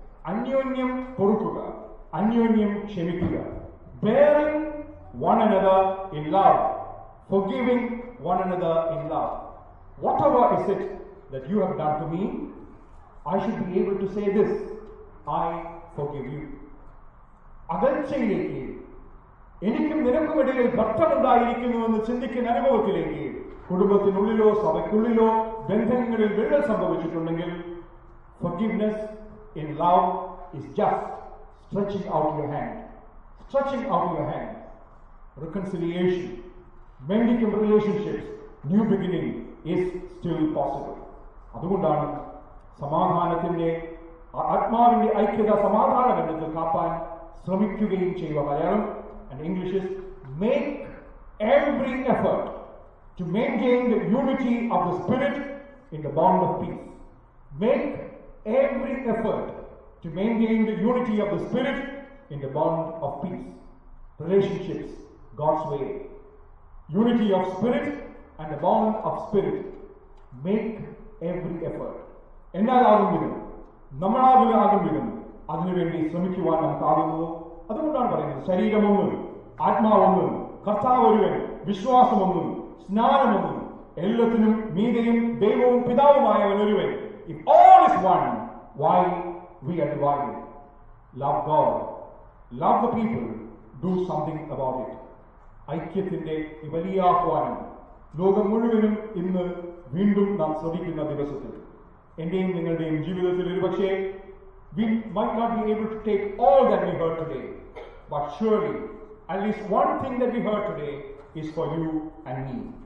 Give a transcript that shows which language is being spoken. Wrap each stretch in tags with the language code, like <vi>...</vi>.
<ml>Anyonyam Porukula, Anyonyam Kshemikkuka.</ml> <en>Bearing one another in love, forgiving one another in love. Whatever is it that you have done to me, I should be able to say this: I forgive you.</en> <ml>Agarchayilekku എനിക്കും നിനക്കും ഇടയിൽ ഭക്തമുണ്ടായിരിക്കുന്നുവെന്ന് ചിന്തിക്കുന്ന അനുഭവത്തിലേക്ക്, കുടുംബത്തിനുള്ളിലോ സഭയ്ക്കുള്ളിലോ ബന്ധങ്ങളിൽ വിള്ളൽ സംഭവിച്ചിട്ടുണ്ടെങ്കിൽ,</ml> <en>Forgiveness in love is just stretching out your hand, stretching out your hand. Reconciliation, mending relationships, new beginning is still possible.</en> <ml>അതുകൊണ്ടാണ് സമാധാനത്തിന്റെ ആത്മാവിന്റെ ഐക്യത സമാധാന ബന്ധത്തിൽ കാപ്പാൻ ശ്രമിക്കുകയും ചെയ്യുക.</ml> <en>Malayalam And English is, make every effort to maintain the unity of the spirit in the bond of peace. Make every effort to maintain the unity of the spirit in the bond of peace. Relationships, God's way. Unity of spirit and the bond of spirit. Make every effort.</en> <ml>എന്നാലാകും വിധം, നമ്മളാകുകയാകും വിധം അതിനുവേണ്ടി ശ്രമിക്കുവാൻ നമുക്കാകുന്നു. അതുകൊണ്ടാണ് പറയുന്നത്, ശരീരമൊന്നും, ആത്മാവൊന്നും, കർത്താവ് ഒരുവൻ, വിശ്വാസമൊന്നും, സ്നാനമൊന്നും, എല്ലാത്തിനും മീതിയും ദൈവവും പിതാവുമായവൻ ഒരുവൻ.</ml> <en>If all is one, why we are divided? Love God, love the people, do something about it.</en> <ml>ഐക്യത്തിന്റെ വലിയ ആഹ്വാനം ലോകം മുഴുവനും ഇന്ന് വീണ്ടും നാം ശ്രദ്ധിക്കുന്ന ദിവസത്തിൽ എന്റെയും നിങ്ങളുടെയും ജീവിതത്തിൽ ഒരുപക്ഷെ</ml> <en>we might not be able to take all that we heard today, but surely at least one thing that we heard today is for you and me.</en>